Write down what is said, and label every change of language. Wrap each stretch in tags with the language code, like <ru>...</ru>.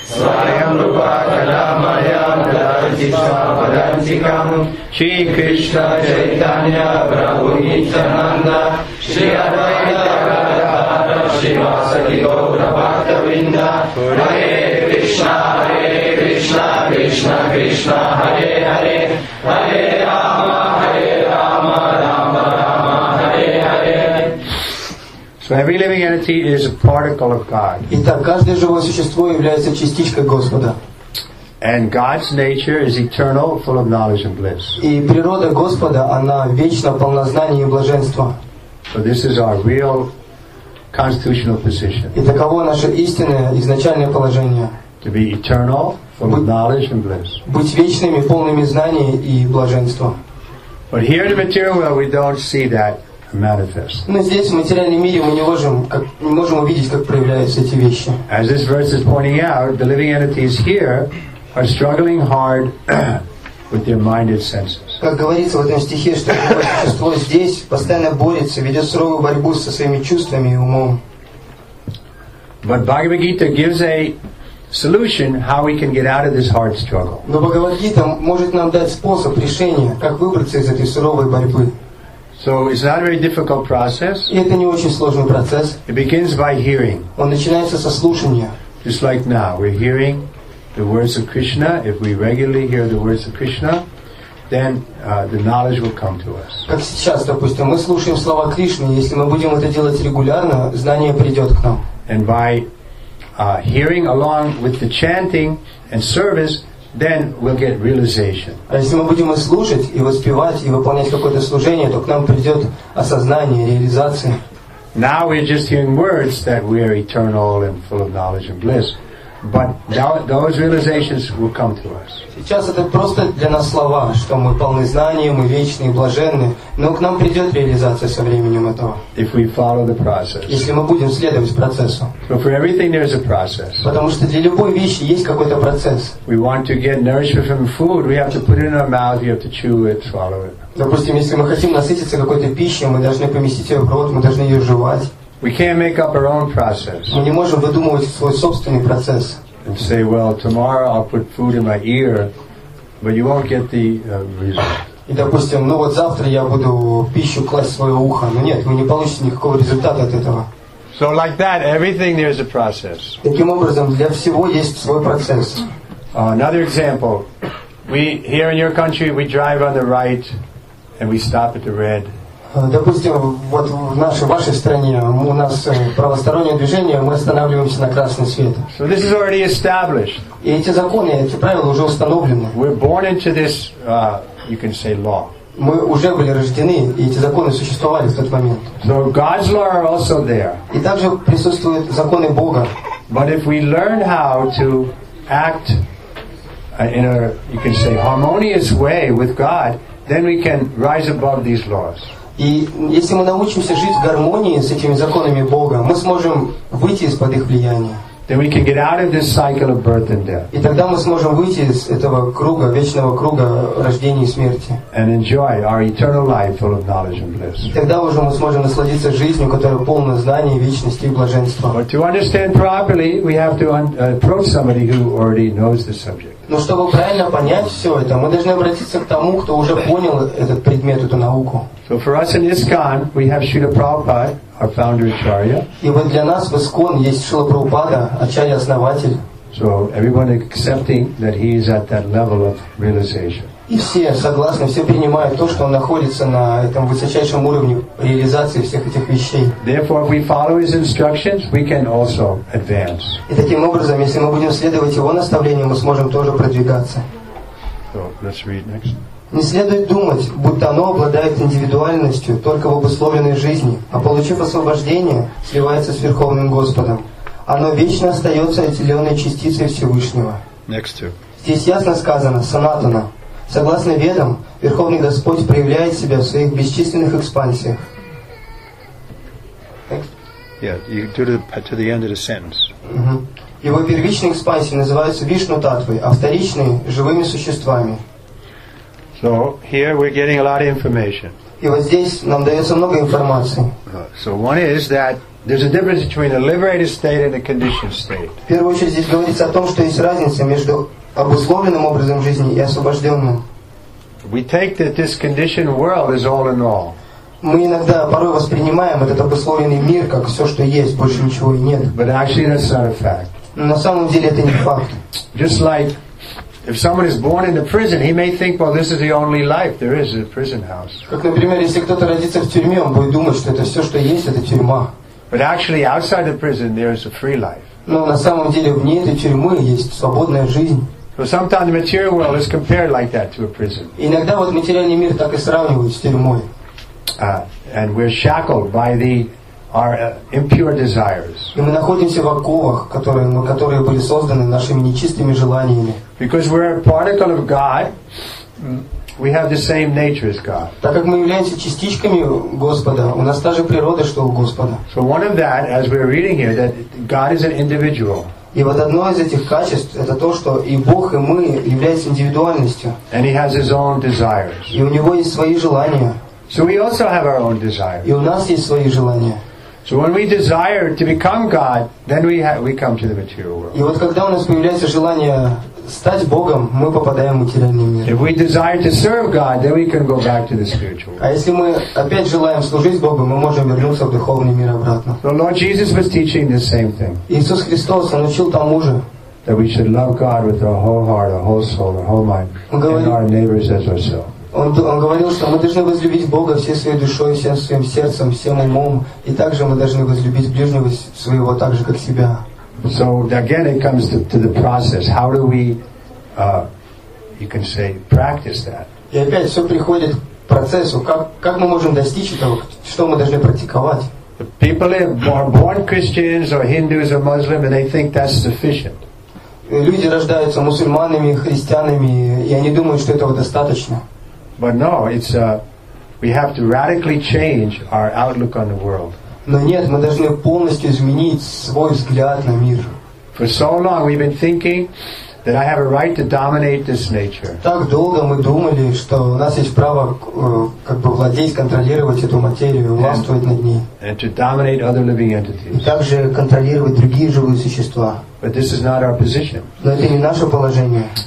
<sa>Svayam Rupa Kadamayam Dadati Svapadantikam Shri Krishna Chaitanya Prabhu Nityananda Shri Advaita Gadadhara Shri Vasadi Gaura Bhakta Vrinda Hare Krishna Hare Krishna Krishna Krishna Hare Hare Hare Rama Hare Rama Rama Rama Hare Hare.</sa> <en>So every living entity is a particle of God.</en> <ru>Итак, каждое живое существо является частичкой Господа.</ru> <en>And God's nature is eternal, full of knowledge and bliss.</en> <ru>И природа Господа, она вечна, полна знания и блаженства.</ru> <en>So this is our real constitutional position.</en> <ru>И таково наше истинное изначальное положение.</ru> <en>To be eternal, full of knowledge and bliss.</en> <ru>Быть вечными, полными знания и блаженства.</ru> <en>But here in the material world, we don't see that.</en> <ru>Но здесь, в материальном мире, мы не можем увидеть, как проявляются эти вещи.</ru> <en>As this verse is pointing out, the living entities here are struggling hard with their minded senses.</en> <ru>Как говорится в этом стихе, что существо здесь постоянно борется, ведет суровую борьбу со своими чувствами и умом.</ru> <en>But Bhagavad Gita gives a solution how we can get out of this hard struggle.</en> <ru>Но Бхагавад Гита может нам дать способ решения, как выбраться из этой суровой борьбы.</ru> <en>So it's not a very difficult process.</en> <ru>И это не очень сложный процесс.</ru> <en>It begins by hearing.</en> <ru>Он начинается со слушания.</ru> <en>Just like now, we're hearing the words of Krishna. If we regularly hear the words of Krishna, then the knowledge will come to us.</en> <ru>Как сейчас, допустим, мы слушаем слова Кришны. Если мы будем это делать регулярно, знание придет к нам.</ru> <en>And by hearing along with the chanting and service, then we'll get realization.</en> <ru>А если мы будем слушать и воспевать и выполнять какое-то служение, то к нам придет осознание, реализация.</ru> <en>Now we're just hearing words that we are eternal and full of knowledge and bliss, but now those realizations will come to us.</en> <ru>Сейчас это просто для нас слова, что мы полны знания, мы вечны и блаженны, но к нам придет реализация со временем этого.</ru> <en>If we follow the process.</en> <ru>Если мы будем следовать процессу.</ru> <en>So for everything there is a process.</en> <ru>Потому что для любой вещи есть какой-то процесс.</ru> <en>We want to get nourishment from food, we have to put it in our mouth, we have to chew it, swallow it.</en> <ru>Допустим, если мы хотим насытиться какой-то пищей, мы должны поместить ее в рот, мы должны ее жевать.</ru> <en>We can't make up our own process.</en> <ru>Мы не можем выдумывать свой собственный процесс.</ru> <en>And say, well, tomorrow I'll put food in my ear, but you won't get the result.</en> <ru>И допустим, ну вот завтра я буду пищу класть в свое ухо. Но нет, вы не получите никакого результата от этого.</ru> <en>So like that, everything there is a process.</en> <ru>Таким образом, для всего есть свой процесс.</ru> <en>Another example. We here in your country, we drive on the right and we stop at the red.</en> <ru>Допустим, вот в нашей, вашей стране у нас правостороннее движение, мы останавливаемся на красный свет.</ru> <en>So this is already established.</en> <ru>И эти законы, эти правила уже установлены.</ru> <en>We're born into this, you can say, law.</en> <ru>Мы уже были рождены, и эти законы существовали в тот момент.</ru> <en>So God's law are also there.</en> <ru>И также присутствуют законы Бога.</ru> <en>But if we learn how to act in a, you can say, harmonious way with God, then we can rise above these laws.</en> <ru>И если мы научимся жить в гармонии с этими законами Бога, мы сможем выйти из-под их влияния.</ru> <en>Then we can get out of this cycle of birth and death.</en> <ru>И тогда мы сможем выйти из этого круга, вечного круга рождения и смерти.</ru> <en>And enjoy our eternal life full of knowledge and bliss.</en> <ru>И тогда уже мы сможем насладиться жизнью, которая полна знаний, вечности и блаженства.</ru> <en>But to understand properly, we have to approach somebody who already knows the subject.</en> <ru>Но чтобы правильно понять все это, мы должны обратиться к тому, кто уже понял этот предмет, эту науку.</ru> <en>So for us in ISKCON, we have Srila Prabhupada, our founder Acharya.</en> <ru>И вот для нас в ISKCON есть Шрила Прабхупада, Ачарья-основатель.</ru> <en>So everyone accepting that he is at that level of realization.</en> <ru>И все согласны, все принимают то, что он находится на этом высочайшем уровне реализации всех этих вещей.</ru> <en>Therefore, if we follow his instructions, we can also advance.</en> <ru>И таким образом, если мы будем следовать его наставлениям, мы сможем тоже продвигаться.</ru> <en>So, let's read next.</en> <ru>Не следует думать, будто оно обладает индивидуальностью только в обусловленной жизни, а получив освобождение, сливается с Верховным Господом. Оно вечно остается отделенной частицей Всевышнего.</ru> <en>Next two.</en> <ru>Здесь ясно сказано «Санатана». Согласно ведам, Верховный Господь проявляет себя в своих бесчисленных экспансиях. Его первичные экспансии называются вишну-таттвы, а вторичные – живыми существами.</ru> <en>So here we're getting a lot of information.</en> <ru>И вот здесь нам дается много информации.</ru> <en>So one is that There's a difference between a liberated state and a conditioned state.</en> <ru>В первую очередь здесь говорится о том, что есть разница между обусловленным образом жизни и освобожденным.</ru> <en>We take that this conditioned world is all in all.</en> <ru>Мы иногда порой воспринимаем этот обусловленный мир как все, что есть, больше ничего и нет.</ru> <en>But actually, that's not a fact.</en> <ru>На самом деле это не факт.</ru> <en>Just like if someone is born in a prison, he may think, well, this is the only life there is, a prison house.</en> <ru>Как, например, если кто-то родится в тюрьме, он будет думать, что это все, что есть, это тюрьма.</ru> <en>But actually, outside the prison, there is a free life.</en> <ru>Но на самом деле вне этой тюрьмы есть свободная жизнь.</ru> <en>So sometimes the material world is compared like that to a prison.</en> <ru>Иногда вот материальный мир так и сравнивают с тюрьмой.</ru> <en>And we're shackled by our impure desires.</en> <ru>И мы находимся в оковах, которые были созданы нашими нечистыми желаниями.</ru> <en>Because we're a particle of God, we have the same nature as God.</en> <ru>Так как мы являемся частичками Господа, у нас та же природа, что у Господа.</ru> <en>So one of that, as we're reading here, that God is an individual.</en> <ru>И вот одно из этих качеств это то, что и Бог, и мы являемся индивидуальностью.</ru> <en>And he has his own desires.</en> <ru>И у него есть свои желания.</ru> <en>So we also have our own desires.</en> <ru>И у нас есть свои желания.</ru> <en>So when we desire to become God, then we come to the material world.</en> <ru>И вот когда у нас появляется желание стать Богом, мы попадаем в материальный мир.</ru> <en>If we desire to serve God, then we can go back to the spiritual world.</en> <ru>А если мы опять желаем служить Богу, мы можем вернуться в духовный мир обратно.</ru> <en>The Lord Jesus was teaching the same thing.</en> <ru>Иисус Христос научил тому же.</ru> <en>That we should love God with our whole heart, our whole soul, our whole mind, and our neighbors as ourselves.</en> <ru>Он говорил, что мы должны возлюбить Бога всей своей душой, всем своим сердцем, всем умом, и также мы должны возлюбить ближнего своего так же, как себя.</ru> <en>So again, it comes to the process. How do we, you can say, practice that?</en> <ru>И опять все приходит к процессу. Как мы можем достичь этого? Что мы должны практиковать?</ru> <en>People are born Christians or Hindus or Muslims, and they think that's sufficient.</en> <ru>Люди рождаются мусульманами, христианами, и они думают, что этого достаточно.</ru> <en>But no, it's we have to radically change our outlook on the world.</en> <ru>Но нет, мы должны полностью изменить свой взгляд на мир.</ru> <en>For so long we've been thinking that I have a right to dominate this nature.</en> <ru>Так долго мы думали, что у нас есть право как бы владеть, контролировать эту материю, властвовать над ней.</ru> <en>And to dominate other living entities.</en> <ru>И также контролировать другие живые существа.</ru> <en>But this is not our position.</en> <ru>Но это не наше положение.</ru>